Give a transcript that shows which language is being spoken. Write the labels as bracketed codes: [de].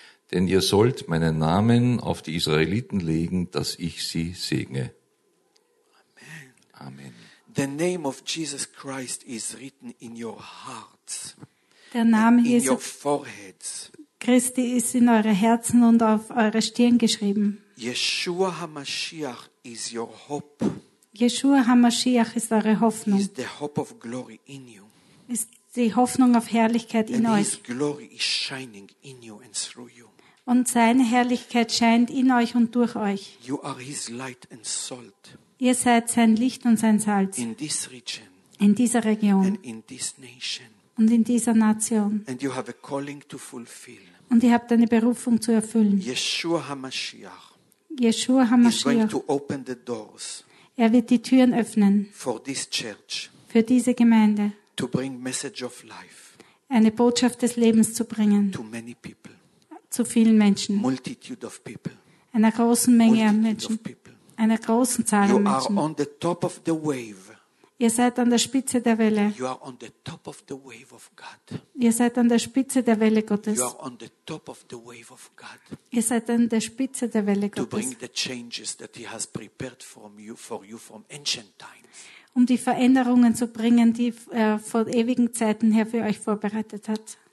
[de] Denn ihr sollt meinen Namen auf die Israeliten legen, dass ich sie segne. Amen. Amen. [en] The name of Jesus Christ is written in your hearts. [de] Der Name [en] in [de] Jesus [en] your foreheads. [de] Christi ist in eure Herzen und auf eure Stirn geschrieben. [en] Yeshua HaMashiach is your hope. [de] Yeshua HaMashiach ist eure Hoffnung. [en] Is the hope of glory in you. [de] Ist die Hoffnung auf Herrlichkeit in [en] and [de] euch. [en] His glory is shining in you and through you. [de] Und seine Herrlichkeit scheint in euch und durch euch. [en] You are his light and salt. [de] Ihr seid sein Licht und sein Salz. [en] In this region. [de] In dieser Region. [en] And in this nation. [de] Und in dieser Nation. [en] And you have a calling to fulfill. [de] Und ihr habt eine Berufung zu erfüllen. [en] Yeshua HaMashiach. [de] Yeshua HaMashiach. [en] Is going to open the doors. [de] Er wird die Türen öffnen. [en] For this church. [de] Für diese Gemeinde. [en] To bring message of life. [de] Eine Botschaft des Lebens zu bringen. [en] To many people. [de] Zu vielen Menschen. [en] Multitude of people. [de] Einer großen Menge an Menschen. Einer großen Zahl [en] you [de] an Menschen. [en] Are on the top of the wave. [de] Ihr seid an der Spitze der Welle. [en] You are on the top of the wave of God. [de] Ihr seid an der Spitze der Welle Gottes. [en] You are on the top of the wave of God. [de] Ihr seid an der Spitze der Welle Gottes. [en] To bring the changes that He has prepared for you from ancient times. [de] Um die Veränderungen zu bringen, die er von ewigen Zeiten her für euch vorbereitet hat.